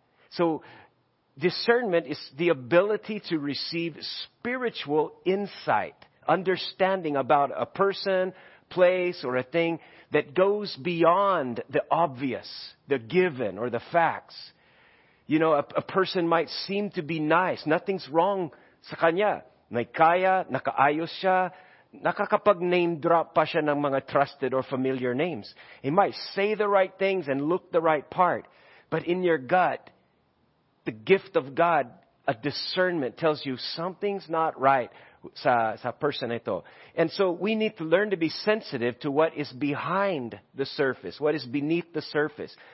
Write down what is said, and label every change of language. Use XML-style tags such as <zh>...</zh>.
<en>So discernment is the ability to receive spiritual insight, understanding about a person, place, or a thing that goes beyond the obvious, the given, or the facts. You know, a person might seem to be nice. Nothing's wrong</en> <tl>sa kanya. May kaya, nakaayos siya, nakakapag-name drop pa siya ng mga</tl> <en>trusted or familiar names. He might say the right things and look the right part, but in your gut, the gift of God, a discernment, tells you something's not right</en> <tl>sa person ito.</tl> <en>And so we need to learn to be sensitive to what is behind the surface, what is beneath the surface.</en>